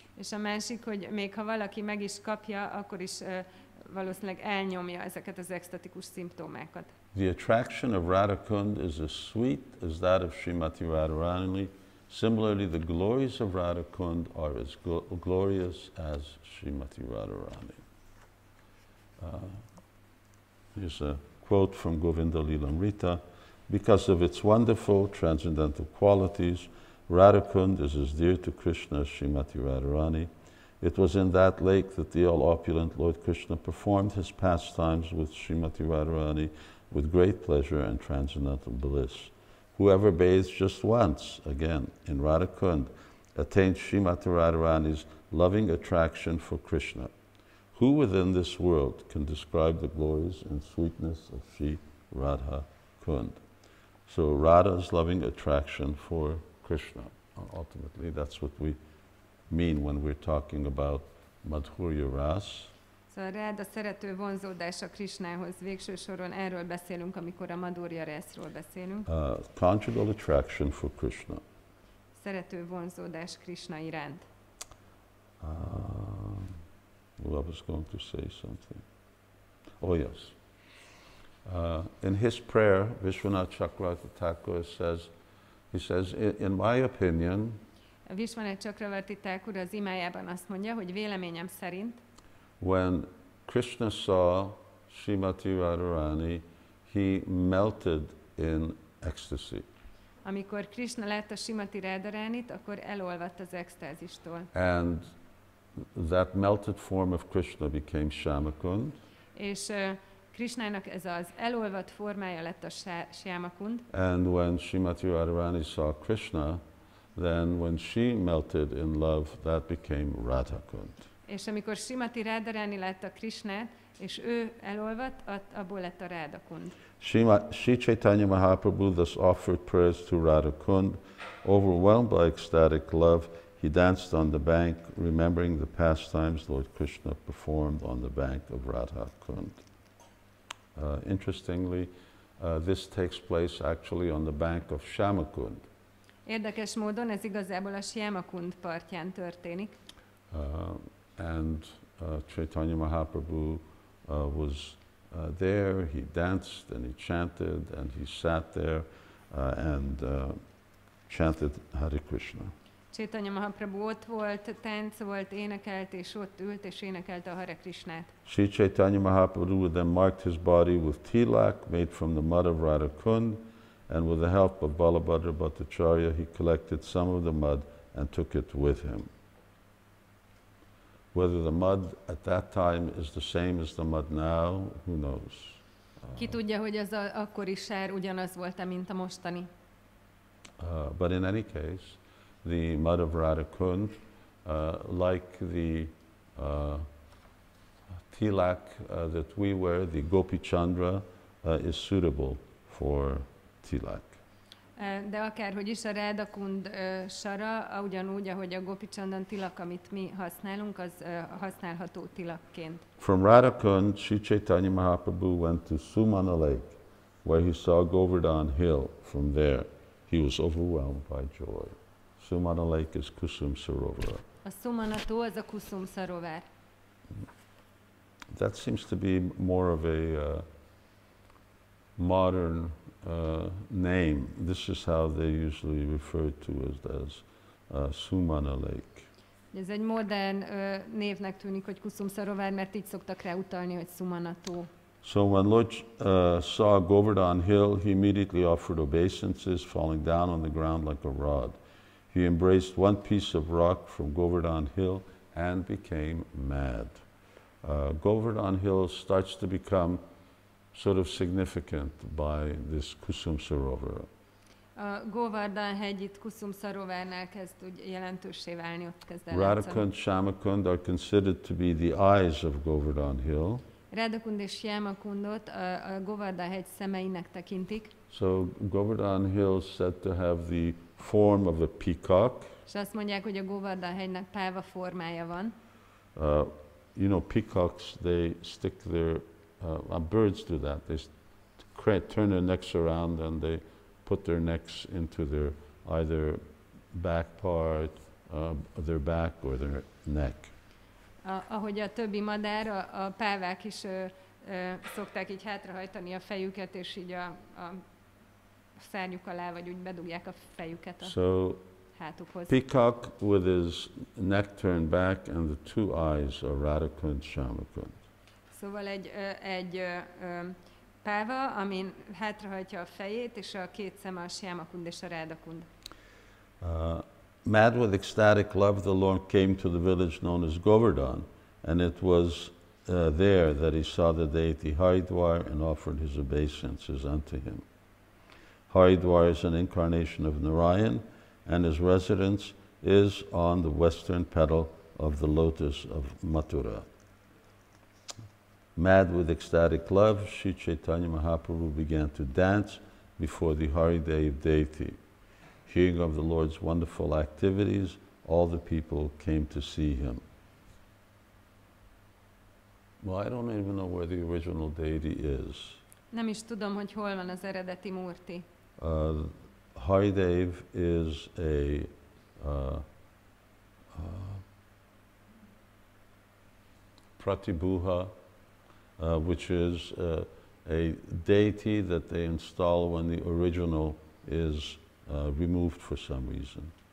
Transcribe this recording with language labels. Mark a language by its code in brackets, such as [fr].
[hu] És a másik, hogy még ha valaki meg is kapja, akkor is valószínűleg elnyomja ezeket az ecstatikus szimptomákat. [en] The attraction of Radhakund is as sweet as that of Srimati Radharani. Similarly, the glories of Radhakund are as glorious as Srimati Radharani. Here's a quote from Govinda Lilamrita. Because of its wonderful transcendental qualities, Radhakund is as dear to Krishna as Srimati Radharani. It was in that lake that the all-opulent Lord Krishna performed his pastimes with Srimati Radharani with great pleasure and transcendental bliss. Whoever bathes just once, again, in Radhakund, attains Srimati Radharani's loving attraction for Krishna. Who within this world can describe the glories and sweetness of Sri Radha Kund? So Radha's loving attraction for Krishna. Ultimately, that's what we mean when we're talking about Madhurya Ras. [hu] So Radha szerető vonzódása Krishnához. Végső soron erről beszélünk, amikor a Madhurya Rasról beszélünk. [en] Conjugal attraction for Krishna. [hu] Szerető vonzódás Krishna iránt. [en] Well, I was going to say something. Oh, yes. In his prayer, Vishwanath Chakravarti Thakur says, in my opinion, [hu] Vishwanath Chakravarti Thakur az imájában azt mondja, hogy véleményem szerint, [en] when Krishna saw Srimati Radharani, he melted in ecstasy. [hu] Amikor Krishna látta Srimati Radharanit, akkor elolvadt az extázistól. [en] And that melted form of Krishna became Shyamakund. [hu] És Krishnának ez az elolvadt formája lett a Shyamakund. [en] And when Srimati Radharani saw Krishna, then when she melted in love, that became Radhakund. [hu] És amikor Srimati Radharani látta Krishnát, és ő elolvadt, abból lett a Radhakund. [en] Sri Caitanya Mahaprabhu thus offered prayers to Radhakund, overwhelmed by ecstatic love. He danced on the bank, remembering the pastimes Lord Krishna performed on the bank of Radhakund. Interestingly, this takes place actually on the bank of Shyamakund. [hu] Érdekes módon ez igazából a Shyamakund partján történik. [en] And Caitanya Mahaprabhu was there. He danced and he chanted and he sat there and chanted Hare Krishna. [hu] Caitanya Mahaprabhu ott volt, táncolt, énekelt, és ott ült, és énekelte a Hare Krishnát. [en] Sri Caitanya Mahaprabhu then marked his body with tilak made from the mud of Radhakund, and with the help of Balabhadra Bhattacharya, he collected some of the mud and took it with him. Whether the mud at that time is the same as the mud now, who knows? [hu] Ki tudja, hogy az akkori sár ugyanaz volt, mint a mostani. [en] But in any case, the mud of Radhakund, like the tilak that we wear, the Gopichandra, is suitable for tilak. [hu] De akárhogy is a Radhakund sara, ugyanúgy, ahogy a Gopichandan tilak, amit mi használunk, az használható tilakként. [en] From Radhakund, Sri Chaitanya Mahaprabhu went to Sumana Lake, where he saw Govardhan Hill. From there, he was overwhelmed by joy. Sumana Lake is Kusum Sarovar. [hu] A Sumana tó az a Kusum Sarovar. [en] That seems to be more of a modern name. This is how they usually refer to it as Sumana Lake. [hu] Ez egy modern névnek tűnik, hogy Kusum Sarovar, mert így szoktak rá utalni, hogy Sumana tó. [en] So when Lord saw Govardhan Hill, he immediately offered obeisances, falling down on the ground like a rod. He embraced one piece of rock from Govardhan Hill and became mad. Govardhan Hill starts to become sort of significant by this Kusum Sarovar. [hu] Govardhan hegyit Kusum Sarovarnál kezd úgy jelentőssé válni, ott kezd el. [en] Radhakund, Shyamakund are considered to be the eyes of Govardhan Hill. [hu] Radhakund és Shyamakundot a Govardhan hegy szemeinek tekintik. [en] So Govardhan Hill is said to have the form of a peacock. [hu] És azt mondják, hogy a Govardhan hegynek páva formája van. [en] You know, peacocks, they stick their, birds do that. They turn their necks around and they put their necks into their either back part, their back or their neck. [hu] Ahogy a többi madár, a pávák is szokták így hátrahajtani a fejüket, és így a szárnyuk alá, vagy úgy bedugják a fejüket a hátukhoz. [en] Peacock with his neck turned back and the two eyes are Radhakund, Shyamakund. [hu] Szóval egy páva, amin hátrahajtja a fejét, és a két szeme a Shyamakund és a Radhakund. [en] Mad with ecstatic love, the Lord came to the village known as Govardhan, and it was there that he saw the deity Haridwar and offered his obeisances unto him. Haridwar is an incarnation of Narayan, and his residence is on the western petal of the lotus of Mathura. Mad with ecstatic love, Sri Chaitanya Mahaprabhu began to dance before the Haridev deity. Hearing of the Lord's wonderful activities, all the people came to see him. Well, I don't even know where the original deity is. [hu] Nem is tudom, hogy hol van az eredeti Murti. [en] Haridev is a Pratibhuha, which is a deity that they install when the original is removed for some reason.